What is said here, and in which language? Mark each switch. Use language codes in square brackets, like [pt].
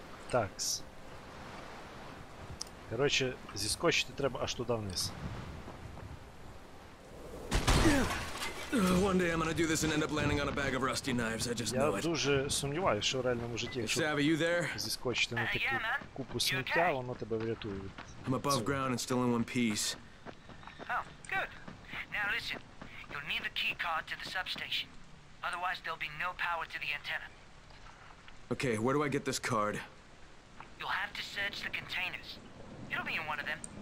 [uk] Такс. Короче, зіскочити треба аж туди вниз. [en] One day I'm gonna do this and end up landing on a bag of rusty knives. I just know it. [uk] Я дуже сумніваюся, що в реальному житті, якщо зіскочити на таку купу сміття, воно тебе врятує. [en] I'm above ground and still in one piece. Oh, good. Now listen, you'll need the key card to the substation. Otherwise there'll be no power to the antenna. Okay, where do I get this card? You'll have to search the containers. It'll be in one of them.